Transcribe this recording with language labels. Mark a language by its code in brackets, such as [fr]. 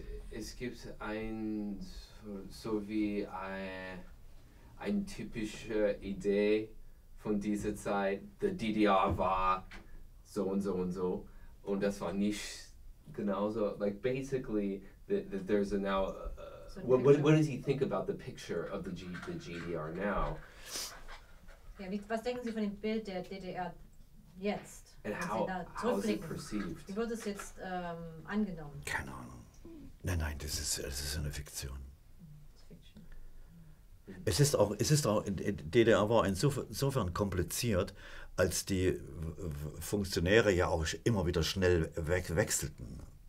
[de] Es gibt eine typische Idee von dieser Zeit, die DDR war so und so und so, und das war nicht genauso. [en] Like basically, there's a now. What does he think about the picture of the GDR now? [de] Ja, was denken Sie von dem Bild der DDR jetzt? [en] And how is it perceived? [de] Wie wird es jetzt angenommen? Keine Ahnung. Nein, das ist eine Fiktion. Es ist auch, DDR war insofern kompliziert, als die Funktionäre ja auch immer wieder schnell wechselten.